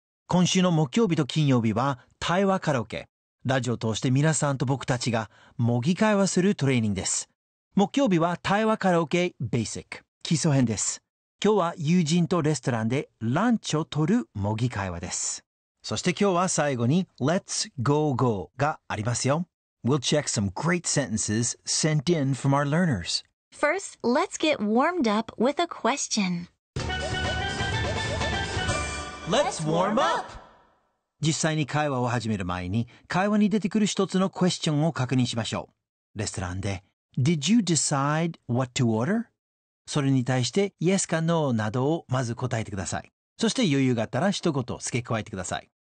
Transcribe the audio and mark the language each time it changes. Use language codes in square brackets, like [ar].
[ja] 今週の木曜日と金曜日は対話カラオケ。ラジオを通して皆さんと僕たちが模擬会話するトレーニングです。木曜日は対話カラオケ Basic 基礎編です。今日は友人とレストランでランチを取る模擬会話です。そして今日は最後に Let's Go Go がありますよ。 [en] We'll check some great sentences sent in from our learners. First, let's get warmed up with a question. Let's warm up! [ja] 実際に会話を始める前に、会話に出てくる一つのクエスチョンを確認しましょう。レストランで、 [en] Did you decide what to order? [ja] それに対して、Yes か No などをまず答えてください。そして余裕があったら一言付け加えてください。